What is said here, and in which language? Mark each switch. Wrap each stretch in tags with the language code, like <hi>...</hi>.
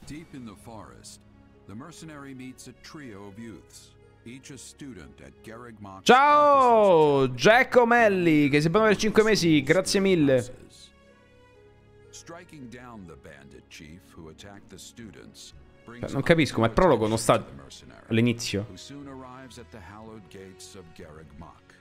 <en>Deep in the forest, the mercenary meets a trio of youths. Each a student at Garrick Mach.</en> <it>Ciao Jack O'Malley, che si può avere 5 mesi, grazie mille.</it> <en>Striking down the bandit chief who attacked the students.</en> <it>Non capisco, ma il prologo non sta all'inizio.</it> <en>Who soon arrives at the hallowed gates of Garrick Mach.</en>